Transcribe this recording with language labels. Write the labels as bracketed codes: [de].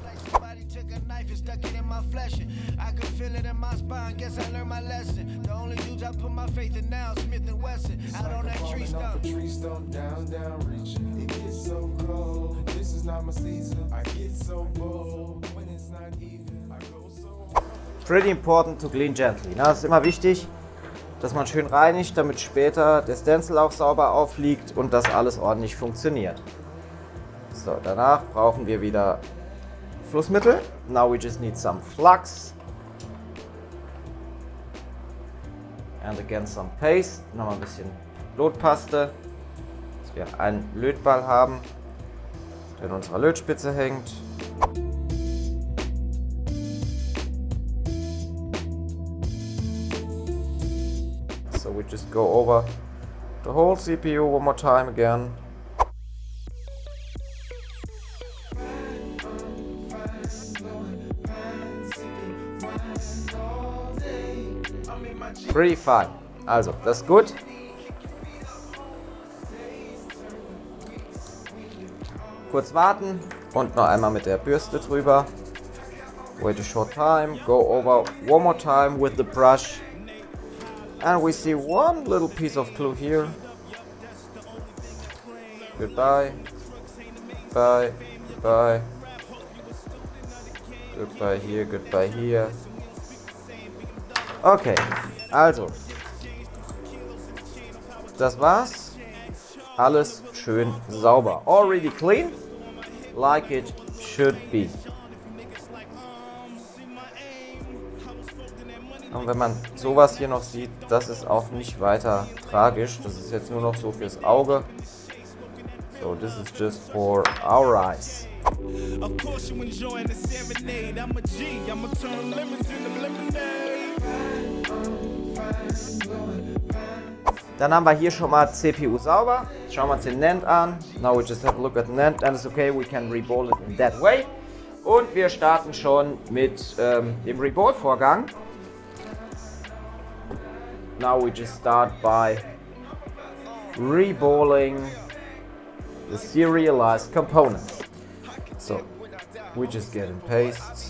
[en] Somebody took a knife and stuck it in my flesh. I could feel it in my spine. Guess I learned my lesson. The only dudes I put my faith in now, Smith and Wesson. Out on that tree stump. Tree stump down, down, reach. It gets so cold. This is not my season. I get so bold. When it's not even, I go so bold. Pretty important to clean gently. [de] Na, ist immer wichtig, dass man schön reinigt, damit später der Stencil auch sauber aufliegt und das alles ordentlich funktioniert. So, danach brauchen wir wieder Flussmittel. [en] Now we just need some flux. And again some paste. [de] Nochmal ein bisschen Lotpaste, dass wir einen Lötball haben, der in unserer Lötspitze hängt. [en] We just go over the whole CPU one more time again. Fine, fine, slow, fine. pretty fine. [de] Also, das ist gut. Kurz warten und noch einmal mit der Bürste drüber. [en] Wait a short time, go over one more time with the brush. And we see one little piece of glue here. Goodbye. Goodbye. Goodbye. Goodbye here, goodbye here. Okay, also. [de] Das war's. Alles schön sauber. [en] Already clean. Like it should be. [de] Und wenn man sowas hier noch sieht, das ist auch nicht weiter tragisch. Das ist jetzt nur noch so fürs Auge. [en] So, this is just for our eyes. Of course you enjoy the serenade. I'm a G, I'ma turn lemons into lemonade. [de] Dann haben wir hier schon mal CPU sauber. Schauen wir uns den NAND an. [en] Now we just have a look at the NAND and it's okay, we can reball it in that way. [de] Und wir starten schon mit dem Reball-Vorgang. [en] Now we just start by reballing the serialized components. So, we just get in paste.